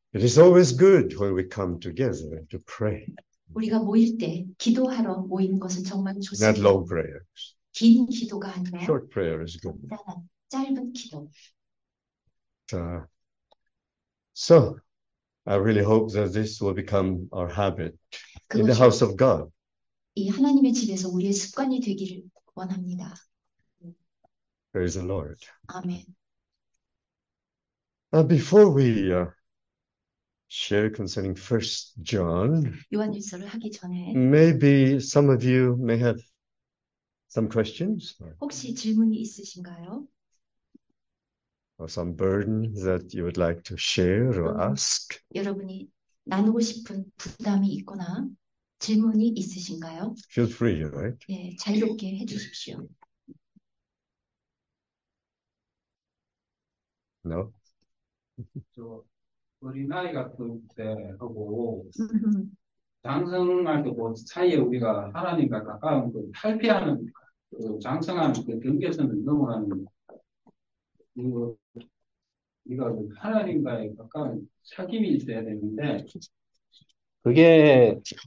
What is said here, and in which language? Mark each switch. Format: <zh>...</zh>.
<en>It is always good when we come together to pray.</en> <ko>우리가 모일 때 기도하러 모이는 것은 정말</ko> <en>Not</en> <ko>좋습니다.</ko> <en>long prayers.</en> <ko>긴 기도가 아니라</ko> <en>Short prayer is good.</en> <ko>간단한 짧은 기도.</ko> <en>So, I really hope that this will become our habit in the</en> <ko>그것이</ko> <en>house of God.</en> <ko>이 하나님의 집에서 우리의 습관이 되기를 원합니다.</ko> <en>Praise the Lord.</en> <ko>아멘.</ko> <en>And before we share concerning 1 John,</en> <ko>요한일서를 하기 전에</ko> <en>maybe some of you may have some questions</en> <ko>혹시 질문이 있으신가요?</ko> <en>or some burden that you would like to share or</en> <ko>또는</ko> <en>ask.</en> <ko>여러분이 나누고 싶은 부담이 있거나 질문이 있으신가요?</ko> <en>Feel free, right?</en> <ko>예, 자유롭게 해주십시오.</ko> <en>No?</en> <ko>저 어린아이 같은 때 하고 장성할 때그 사이에 우리가 하나님과 가까운 걸 탈피하는 그 장성하는 그 경계선을 넘어가는 이거 우리가 하나님과의 가까운 사귐이 있어야 되는데 그게</ko>